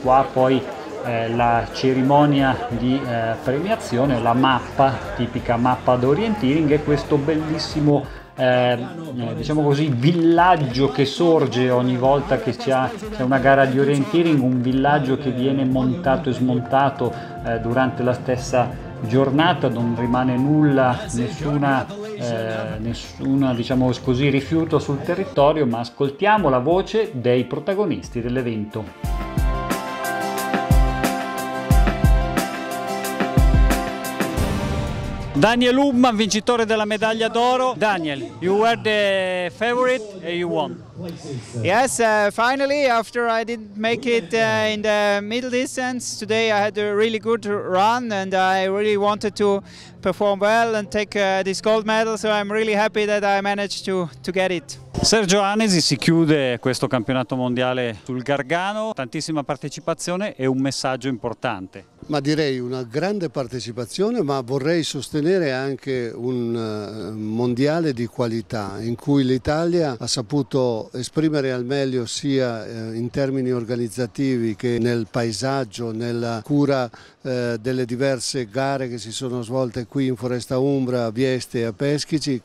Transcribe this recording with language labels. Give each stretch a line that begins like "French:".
Italian: Qua poi la cerimonia di premiazione, la mappa, tipica mappa d'orienteering, e questo bellissimo diciamo così villaggio che sorge ogni volta che c'è una gara di orienteering, un villaggio che viene montato e smontato durante la stessa giornata, non rimane nulla, nessuna diciamo così rifiuto sul territorio. Ma ascoltiamo la voce dei protagonisti dell'evento. Daniel Umman, vincitore della medaglia d'oro.
English: Daniel, you were the favorite and you won. Yes, finally, after I didn't make it in the middle distance, today I had a really good run and I really wanted to perform well and take this gold medal, so I'm really happy that I managed to get it.
Italian: Sergio Anesi, si chiude questo campionato mondiale sul Gargano, tantissima partecipazione e un messaggio importante. Ma direi una grande partecipazione, ma vorrei sostenere anche un mondiale di qualità in cui l'Italia ha saputo esprimere al meglio sia in termini organizzativi che nel paesaggio, nella cura delle diverse gare che si sono svolte qui in Foresta Umbra, a Vieste e a Peschici.